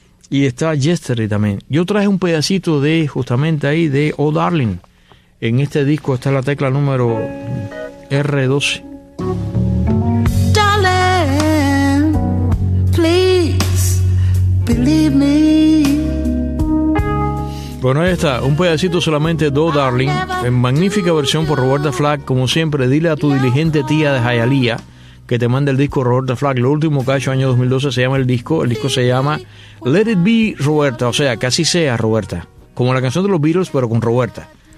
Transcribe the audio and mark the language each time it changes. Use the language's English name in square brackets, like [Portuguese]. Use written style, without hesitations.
[Spanish] Y está Yesterday también. Yo traje un pedacito de, justamente ahí, de Oh Darling. En este disco está la tecla número R12. [English] Darling, please believe me. [Spanish] Bueno, ahí está, un pedacito solamente de Oh Darling, en magnífica versión por Roberta Flack. Como siempre, dile a tu diligente tía de Hialeah que te mande el disco Roberta Flack. Lo último que ha hecho año 2012 se llama el disco se llama Let It Be, Roberta, o sea, que así sea, Roberta, como la canción de los Beatles, pero con Roberta.